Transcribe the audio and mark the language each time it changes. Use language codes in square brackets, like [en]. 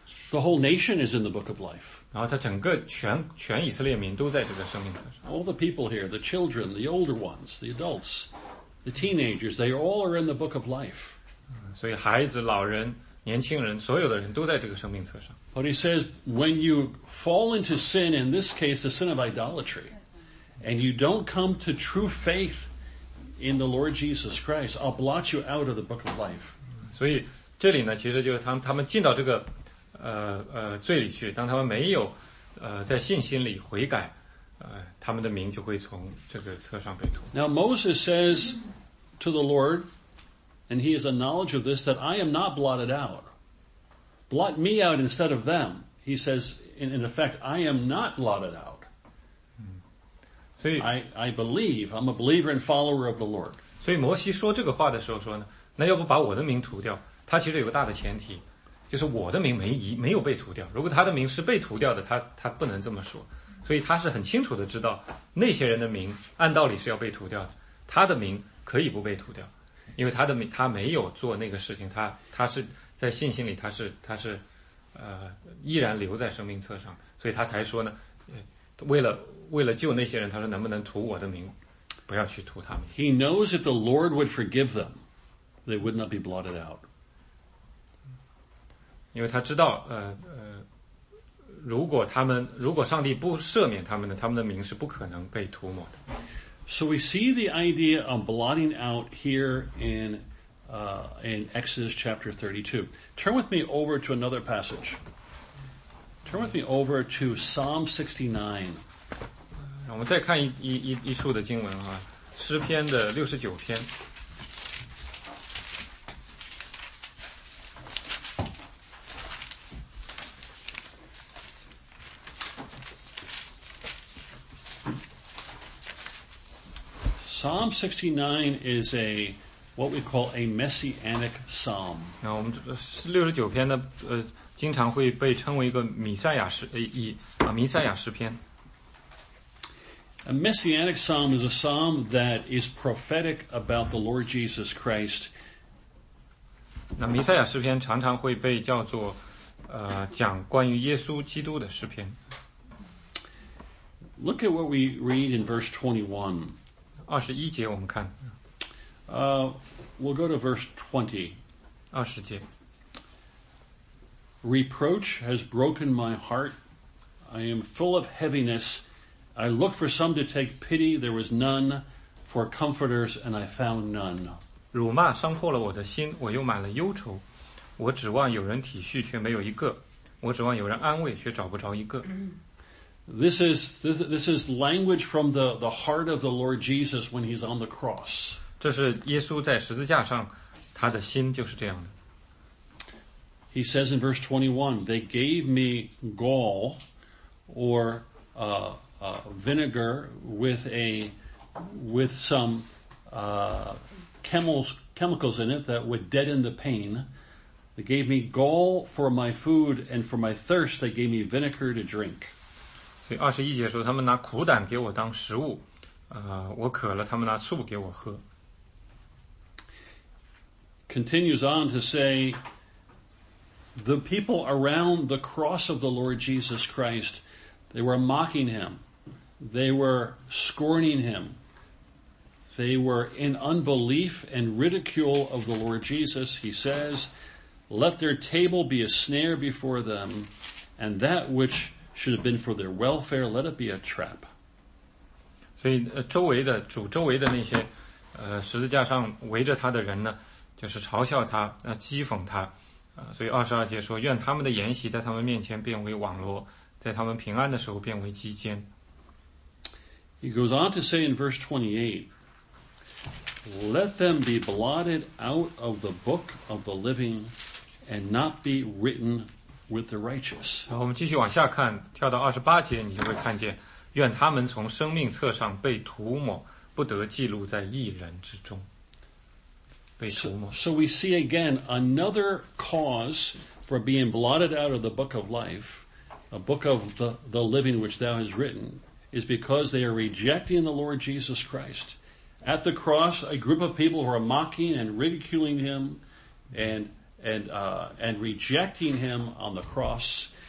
[en] The whole nation is in the book of life. [zh] 然后他整个全以色列民都在这个生命册上。 [en] All the people here, the children, the older ones, the adults, the teenagers, they all are in the book of life. [zh] 所以孩子、老人、年轻人，所有的人都在这个生命册上。 [en] But he says, when you fall into sin, in this case, the sin of idolatry. And you don't come to true faith in the Lord Jesus Christ, I'll blot you out of the book of life. [zh] 所以这里呢，其实就是他们进到这个罪里去，当他们没有在信心里悔改，他们的名就会从这个册上被涂。 [en] Now Moses says to the Lord, and he has a knowledge of this, that I am not blotted out. Blot me out instead of them. He says, in effect, I am not blotted out. [zh] 所以 [en] I believe, I'm a believer and follower of the Lord. [zh] 所以摩西说这个话的时候说呢，那要不把我的名涂掉，他其实有个大的前提，就是我的名没有被涂掉。如果他的名是被涂掉的，他不能这么说。所以他是很清楚的知道，那些人的名按道理是要被涂掉的，他的名可以不被涂掉，因为他没有做那个事情，他是在信心里，他是依然留在生命册上，所以他才说呢，为了救那些人，他说能不能涂我的名，不要去涂他们。 [en] He knows if the Lord would forgive them, they would not be blotted out. [zh] 因为他知道，如果上帝不赦免他们的，他们的名是不可能被涂抹的。 [en] So we see the idea of blotting out here in Exodus chapter 32. Turn with me over to another passage. Turn with me over to Psalm 69. [zh] 我们再看一处的经文啊，诗篇的六十九篇。 [en] Psalm 69 is a what we call a messianic psalm. [zh] 那我们六十九篇呢，经常会被称为一个弥赛亚诗篇。 [en] A messianic psalm is a psalm that is prophetic about the Lord Jesus Christ. [zh] 那弥赛亚诗篇常常会被叫做讲关于耶稣基督的诗篇。 [en] Look at what we read in verse 21. [zh] 二十一节我们看。 [en] We'll go to verse 20. [zh] 二十节。 [en] Reproach has broken my heart. I am full of heaviness. I looked for some to take pity, there was none, for comforters, and I found none. [zh] 辱骂伤破了我的心，我又满了忧愁。我指望有人体恤，却没有一个；我指望有人安慰，却找不着一个。 [en] This is language from the heart of the Lord Jesus when he's on the cross. [zh] 这是耶稣在十字架上，他的心就是这样的。 [en] He says in verse 21, they gave me gall or vinegar with some chemicals in it that would deaden the pain. They gave me gall for my food and for my thirst they gave me vinegar to drink. [zh] 所以二十一节说他们拿苦胆给我当食物、我渴了他们拿醋给我喝。 [en] Continues on to say, the people around the cross of the Lord Jesus Christ, they were mocking him. They were scorning him. They were in unbelief and ridicule of the Lord Jesus. He says, let their table be a snare before them, and that which should have been for their welfare, let it be a trap. [zh] 所以周围的主周围的那些十字架上围着他的人呢就是嘲笑他讥讽他。所以二十二节说愿他们的筵席在他们面前变为网罗，在他们平安的时候变为机间。 [en] He goes on to say in verse 28, let them be blotted out of the book of the living and not be written with the righteous. [zh] 好，我们继续往下看，跳到二十八节，你就会看见愿他们从生命册上被涂抹，不得记录在义人之中。 [en] So we see again another cause for being blotted out of the book of life, a book of the living which thou hast written, is because they are rejecting the Lord Jesus Christ. At the cross, a group of people who are mocking and ridiculing him and rejecting him on the cross.